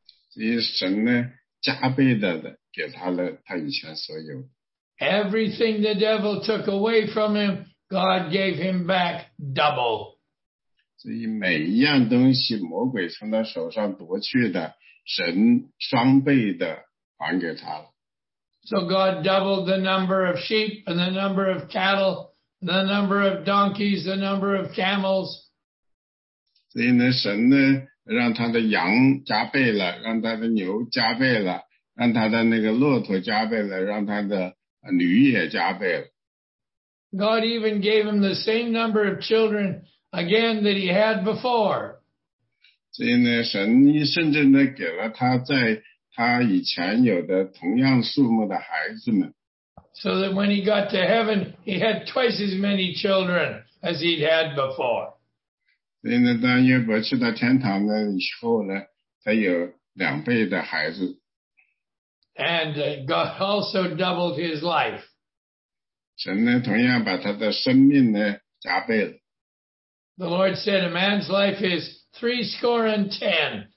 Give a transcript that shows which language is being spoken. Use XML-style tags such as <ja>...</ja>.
<zh>所以神呢，加倍的。给他了他以前所有,</zh> <en>Everything the devil took away from him, God gave him back double.</en> <zh>所以每一样东西魔鬼从他手上夺去的, 神双倍的还给他了。</zh> <en>So God doubled the number of sheep and the number of cattle, the number of donkeys, the number of camels.</en> <zh>所以呢，神呢，让他的羊加倍了，让他的牛加倍了。让他的那个骆驼加倍了，让他的驴也加倍了。</zh> <en>God even gave him the same number of children again that he had before.</en> <zh>所以呢，神甚至呢给了他在他以前有的同样数目的孩子们。</zh> <en>So that when he got to heaven, he had twice as many children as he'd had before.</en> <zh>所以呢，当约伯去到天堂的以后呢，他有两倍的孩子。</zh> <en>And God also doubled his life.</en> <zh>神呢，同样把他的生命呢加倍了。</zh> <en>The Lord said, a man's life is 70 years.</en>